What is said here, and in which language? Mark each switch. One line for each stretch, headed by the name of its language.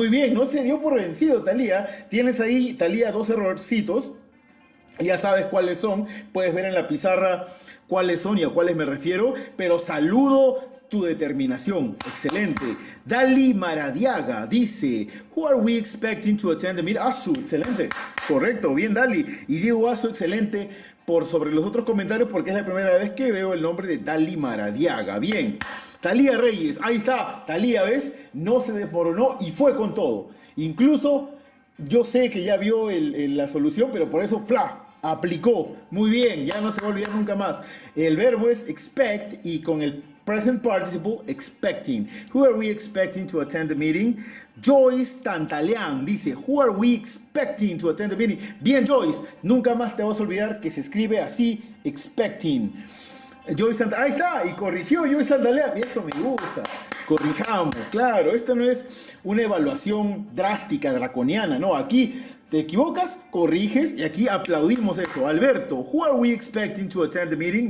Spanish: Muy bien, no se dio por vencido, Talía. Tienes ahí, Talía, dos errorcitos. Ya sabes cuáles son. Puedes ver en la pizarra cuáles son y a cuáles me refiero. Pero saludo tu determinación. Excelente.
English: Dali Maradiaga
Spanish: dice,
English: who are we expecting to attend the meeting?
Spanish: Asu, excelente. Correcto, bien, Dali. Y digo Asu, excelente, por sobre los otros comentarios, porque es la primera vez que veo el nombre de Dali Maradiaga. Bien. Talía Reyes, ahí está, Talía, ¿ves? No se desmoronó y fue con todo. Incluso yo sé que ya vio la solución, pero por eso, ¡fla! Aplicó. Muy bien, ya no se va a olvidar nunca más. El verbo es expect y con el present participle, expecting.
English: Who are we expecting to attend the meeting? Joyce Tantaleán
Spanish: dice,
English: who are we expecting to attend the meeting?
Spanish: Bien, Joyce, nunca más te vas a olvidar que se escribe así, expecting. Joyce Santa, ahí está, y corrigió Joyce Santalea, eso me gusta. Corrijamos, claro, esto no es una evaluación drástica, draconiana, no. Aquí te equivocas, corriges, y aquí aplaudimos eso.
English: Alberto, who are we expecting to attend the meeting?